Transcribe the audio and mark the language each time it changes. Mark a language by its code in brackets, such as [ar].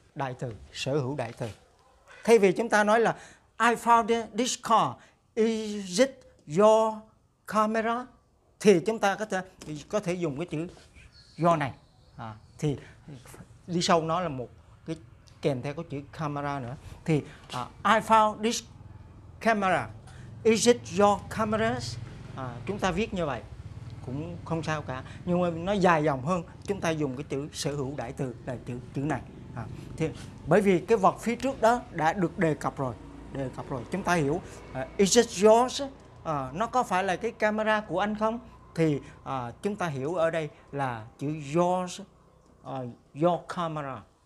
[vi] Đại từ, sở hữu đại từ. Thay vì chúng ta nói là [en] I found this car, is it your camera? [vi] Thì chúng ta có thể dùng cái chữ your này. Thì đi sau nó là một cái kèm theo có chữ camera nữa. [en] Thì I found this camera, is it your camera? [vi] Chúng ta viết như vậy cũng không sao cả. Nhưng mà nó dài dòng hơn, chúng ta dùng cái chữ sở hữu đại từ là chữ này. Thì bởi vì cái vật phía trước đó đã được đề cập rồi, chúng ta hiểu [en] is it yours, [vi] nó có phải là cái camera của anh không, thì chúng ta hiểu ở đây là chữ yours, your camera.